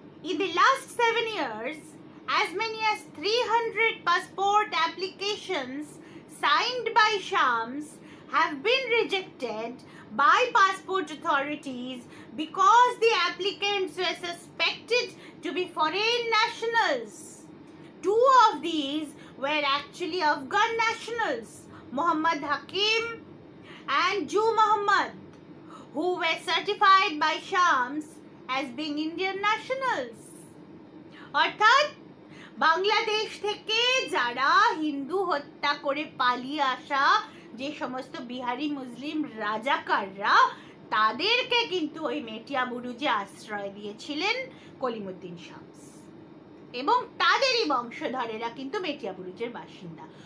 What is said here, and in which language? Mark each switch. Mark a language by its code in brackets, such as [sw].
[en] In the last 7 years as many as 300 passport applications signed by Shams have been rejected by passport authorities because the applicants were suspected to be foreign nationals. Two of these were actually Afghan nationals, Muhammad Hakim and Jo Muhammad, who were certified by Shams as being Indian nationals. [bn] অর্থাৎ বাংলাদেশ থেকে যারা হিন্দু হত্যা করে পালিয়ে আসা যে সমস্ত বিহারি মুসলিম রাজাকাররা তাদেরকে কিন্তু ওই মেটিয়া বুরুজে আশ্রয় দিয়েছিলেন কলিমুদ্দিন শামস, এবং তাদেরই বংশধরেরা কিন্তু মেটিয়া বুরুজের বাসিন্দা।